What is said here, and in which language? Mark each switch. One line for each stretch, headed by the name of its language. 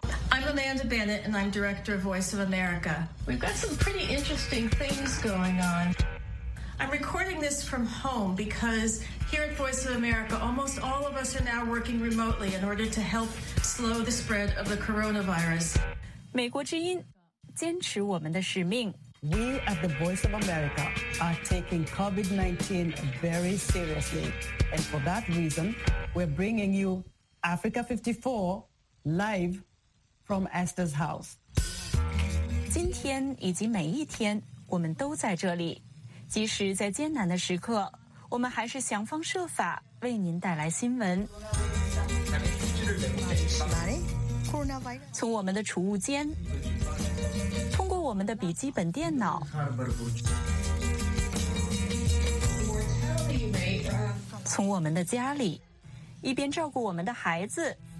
English: I'm Amanda Bennett and I'm director of Voice of America. We've got some pretty interesting things going on. I'm recording this from home because here at Voice of America, almost all of us are now working remotely in order to help slow the spread of the coronavirus.
Chinese: 美国之音，坚持我们的使命。
English: We at the Voice of America are taking COVID-19 very seriously. And for that reason, we're bringing you Africa 54 live. From Esther's house.
Chinese: 今天以及每一天，我们都在这里。即使在艰难的时刻，我们还是想方设法为您带来新闻。从我们的储物间，通过我们的笔记本电脑，从我们的家里，一边照顾我们的孩子。